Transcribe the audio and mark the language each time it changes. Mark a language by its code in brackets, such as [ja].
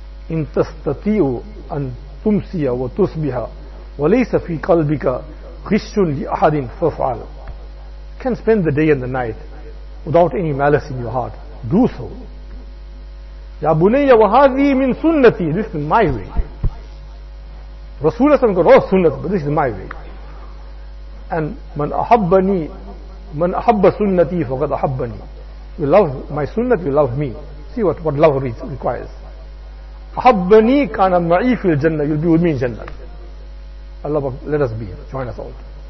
[ar] إِن تَسْتَطِيعُ أَن تُمْسِيَ وَتُصْبِحَ وَلَيْسَ فِي قَلْبِكَ خِشٌّ لِأَحَدٍ فَفْعَلْ. [en] You can spend the day and the night without any malice in your heart. Do so. [ar] يَا بُنَيَّ وَهَذِي مِن سُنَّتِي. [en] This is my way. Rasulullah said, oh, sunnah, but this is my way. [ar] And مَنْ أَحَبَّنِي مَنْ أَحَبَّ سُنَّتِي فَقَدْ أَحَبَّنِي. [en] You love my sunnah, you love me. See what love requires. [ar] أَحَبَّنِي كَانَ مَعِي فِي الْجَنَّةِ. [en] You'll be with me in Jannah. Allah, let us be. Join us all.